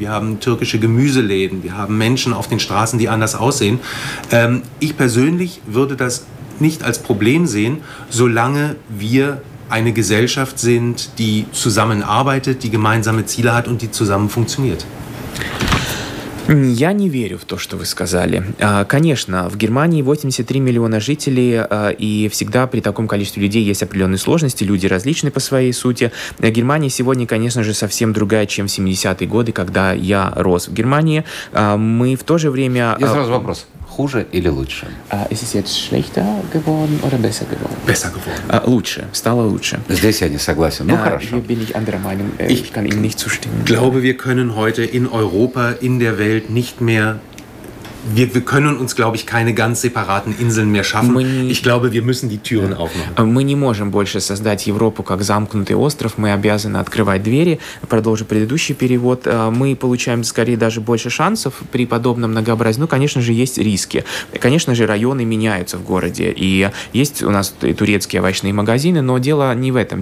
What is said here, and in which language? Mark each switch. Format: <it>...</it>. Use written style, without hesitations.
<de>Wir haben türkische Gemüseläden, wir haben Menschen auf den Straßen, die anders aussehen. Ich persönlich würde das nicht als Problem sehen, solange wir eine Gesellschaft sind, die zusammenarbeitet, die gemeinsame Ziele hat und die zusammen funktioniert.</de> <ru>Я не верю в то, что вы сказали. Конечно, в Германии 83 миллиона жителей, и всегда при таком количестве людей есть определенные сложности, люди различны по своей сути. Германия сегодня, конечно же, совсем другая, чем в 70-е годы, когда я рос в Германии. Мы в то же время... Я сразу вопрос. Хуже или лучше?</ru> <de>Ist es jetzt schlechter geworden oder besser geworden? Besser geworden.</de> <ru>Лучше. Стало лучше. Здесь я не согласен. Ну, хорошо.</ru> <de>Hier bin ich anderer Meinung. Ich kann Ihnen nicht zustimmen. Ich glaube, wir können heute in Europa, in der Welt nicht mehr... Wir können uns, glaube ich, keine ganz separaten Inseln mehr schaffen. Ich glaube, wir müssen die Türen aufmachen.</de> <ru>Мы не можем больше создать Европу как замкнутый остров. Мы обязаны открывать двери. Продолжу предыдущий перевод. Мы получаем, скорее, даже больше шансов при подобном многообразии. Ну, конечно же, есть риски. Конечно же, районы меняются в городе. И есть у нас и турецкие овощные магазины. Но дело не в этом.</ru>